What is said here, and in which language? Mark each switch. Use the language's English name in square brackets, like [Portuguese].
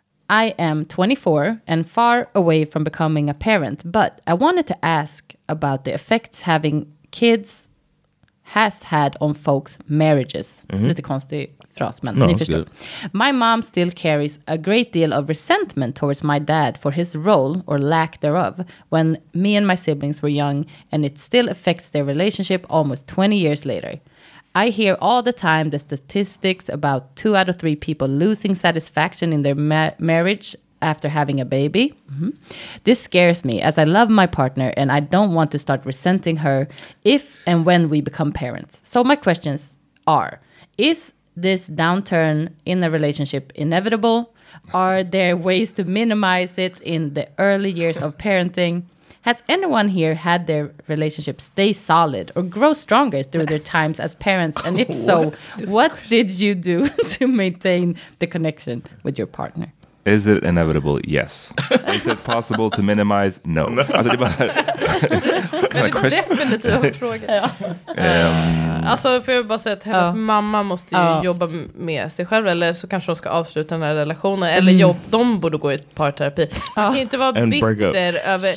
[English] I am 24 and far away from becoming a parent, but I wanted to ask about the effects having kids has had on folks' marriages. Mm-hmm. [Swedish] Lite konstig fras, men ni förstår. [English] My mom still carries a great deal of resentment towards my dad for his role, or lack thereof, when me and my siblings were young, and it still affects their relationship almost 20 years later. I hear all the time the statistics about 2 out of 3 people losing satisfaction in their marriage after having a baby. Mm-hmm. This scares me as I love my partner and I don't want to start resenting her if and when we become parents. So my questions are, is this downturn in a relationship inevitable? Are there ways to minimize it in the early years of parenting? Has anyone here had their relationship stay solid or grow stronger through their times as parents? And if so, what did you do to maintain the connection with your partner? Is it inevitable? Yes. Is it possible to minimize? No. [Swedish] Alltså det är en definitiv fråga. Alltså får jag bara säga att hennes mamma måste ju jobba med sig själv, eller så kanske de ska avsluta den här relationen eller de borde gå i parterapi. Man kan inte vara bitter över